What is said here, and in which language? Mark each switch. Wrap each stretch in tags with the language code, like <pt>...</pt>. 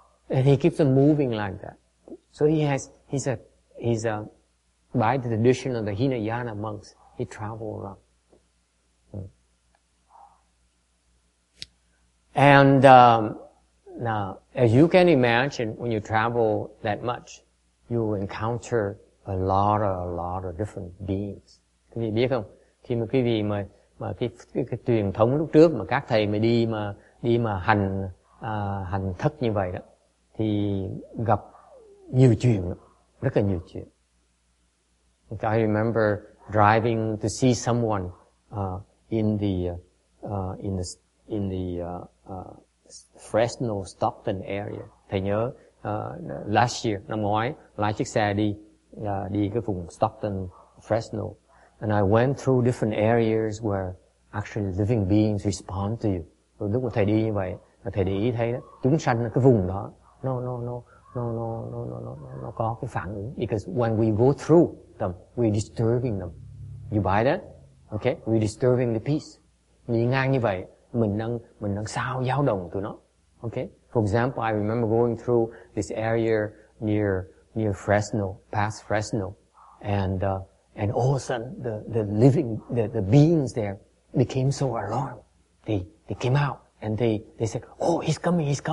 <en>And he keeps on moving like that. So he has, he's a, by the tradition of the Hinayana monks, he travels around. And, now, as you can imagine, when you travel that much, you encounter a lot of different beings.</en> <vi>Quý vị biết không? Khi mà quý vị mà cái truyền thống lúc trước mà các thầy mà đi mà hành thất như vậy đó, thì gặp nhiều chuyện, rất là nhiều chuyện.</vi> <en>I remember driving to see someone in the Fresno Stockton area.</en> <vi>Thầy nhớ</vi> <en>last year,</en> <vi>năm ngoái, lái chiếc xe đi cái vùng Stockton, Fresno.</vi> <en>And I went through different areas where actually living beings respond to you.</en> <vi>Rồi lúc mà thầy đi như vậy, thầy để ý thấy đó, chúng sanh ở cái vùng đó, nó có cái phản ứng.</vi> <en>Because when we go through them, we're disturbing them. You buy that? Okay, we're disturbing the peace.</en> <vi>Đi ngang như vậy, mình đang sao giao động tụi nó. Okay?</vi> <en>For example, I remember going through this area near Fresno, past Fresno, and all of a sudden the beings there became so alarmed. They came out and they said, "Oh, he's coming.</en>